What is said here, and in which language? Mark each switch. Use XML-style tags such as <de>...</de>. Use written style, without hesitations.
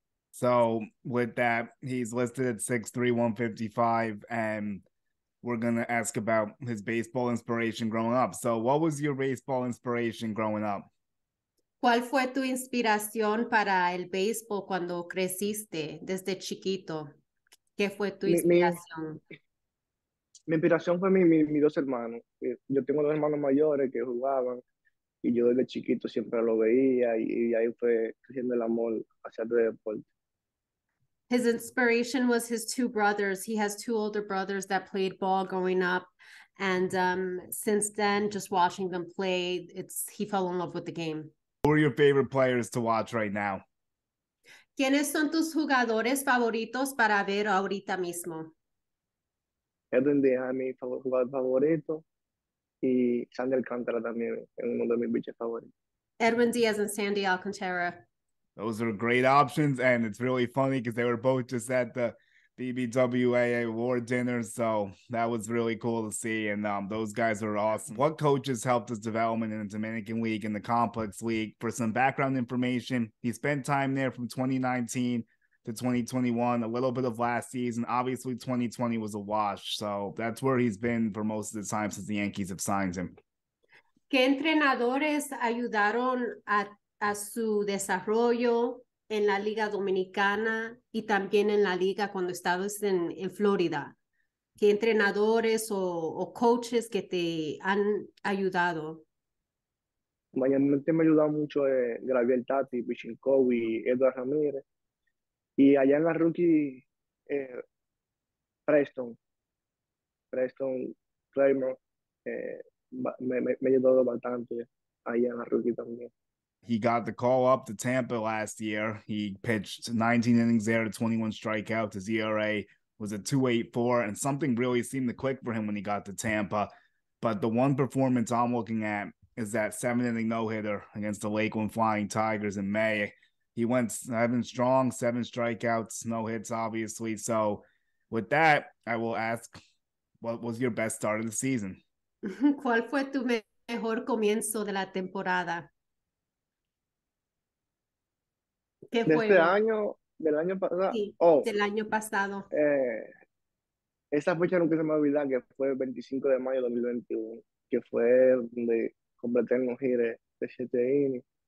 <en>So with that, he's listed at 6'3", 155, and we're going to ask about his baseball inspiration growing up. So what was your baseball inspiration growing up?</en> <es>¿Cuál fue tu inspiración para el baseball cuando creciste desde chiquito? ¿Qué fue tu inspiración? Mi inspiración fue mis dos hermanos. Yo tengo dos hermanos mayores que jugaban y yo desde chiquito siempre lo veía y ahí fue creciendo el amor hacia el deporte.</es> <en>His inspiration was his two brothers. He has two older brothers that played ball growing up. And since then, just watching them play, he fell in love with the game. Who are your favorite players to watch right now?</en> <es>¿Quiénes son tus jugadores favoritos para ver ahorita mismo? Edwin Díaz, mi jugador favorito, y Sandy Alcantara también, es uno de mis biches favoritos.</es> <en>Edwin Díaz and Sandy Alcantara. Those are great options, and it's really funny because they were both just at the BBWAA award dinner, so that was really cool to see, and those guys are awesome. What coaches helped his development in the Dominican League and the Complex League? For some background information, he spent time there from 2019 to 2021, a little bit of last season. Obviously, 2020 was a wash, so that's where he's been for most of the time since the Yankees have signed him.</en> <es>¿Qué entrenadores ayudaron a su desarrollo en la Liga Dominicana y también en la Liga cuando estabas en Florida? ¿Qué entrenadores o coaches que te han ayudado? Mayormente me ha ayudado mucho Graviel Tati, Pichin Kobe y Edward Ramírez. Y allá en la rookie, Preston Claymore, me ha ayudado bastante allá en la rookie también.</es> <en>He got the call up to Tampa last year. He pitched 19 innings there to 21 strikeouts. His ERA was a 2.84, and something really seemed to click for him when he got to Tampa. But the one performance I'm looking at is that 7-inning no-hitter against the Lakeland Flying Tigers in May. He went 7 strong, 7 strikeouts, no hits, obviously. So with that, I will ask, what was your best start of the season?</en> <es>¿Cuál fue tu mejor comienzo de la temporada? ¿Qué fue? Del año pasado. Esa fecha nunca se me olvida, que fue el 25 de mayo de 2021, que fue donde completé el no-hitter de 7 innings.</es>